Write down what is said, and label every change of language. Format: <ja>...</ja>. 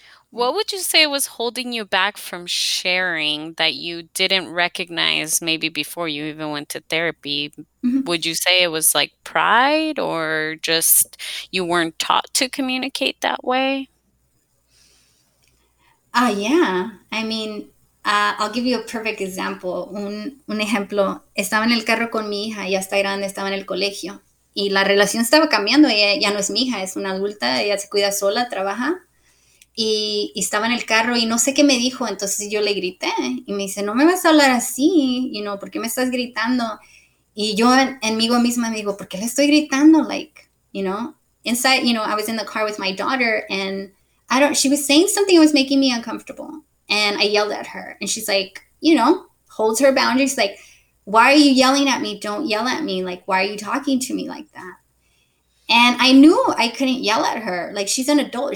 <en>What would you say was holding you back from sharing that you didn't recognize maybe before you even went to therapy? Mm-hmm. Would you say it was like pride or just you weren't taught to communicate that way? Yeah. I mean, I'll give you a perfect example.</en> <es>Un ejemplo. Estaba en el carro con mi hija, ya está grande, estaba en el colegio. Y la relación estaba cambiando. Ella ya no es mi hija, es una adulta, ella se cuida sola, trabaja. Y estaba en el carro y no sé qué me dijo, entonces yo le grité y me dice, no me vas a hablar así, you know, ¿por qué me estás gritando? Y yo enmigo misma me digo, ¿por qué le estoy gritando?</es> <en>Like, you know, inside, you know, I was in the car with my daughter and she was saying something that was making me uncomfortable and I yelled at her and she's like, you know, holds her boundaries, like, why are you yelling at me? Don't yell at me. Like, why are you talking to me like that? And I knew I couldn't yell at her. Like, she's an adult.</en>